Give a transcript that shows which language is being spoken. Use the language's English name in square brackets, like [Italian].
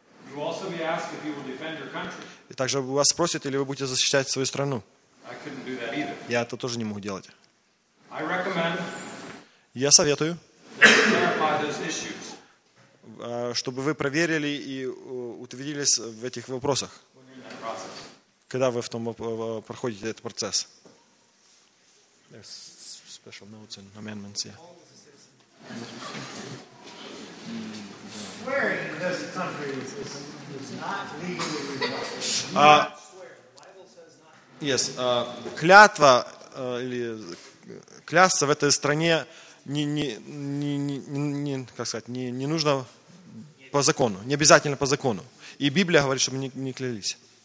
[English] You'll also be asked if you will defend your country. [Russian] И также вас спросят, или вы будете защищать свою страну. [English] I couldn't do that either. [Russian] Я это тоже не могу делать. [English] I recommend. [Russian] Я советую, [English] clarify those issues. [Russian] Чтобы вы проверили и утвердились в этих вопросах. [English] When you're in that process. [Russian] Когда вы в том проходите этот процесс. [English] There's special notes and amendments, yeah. Swearing in this country is not legally required. [Russian] Yes, клятва или клясться в этой стране не нужно по закону, не обязательно по закону. И Библия говорит, чтобы не клялись.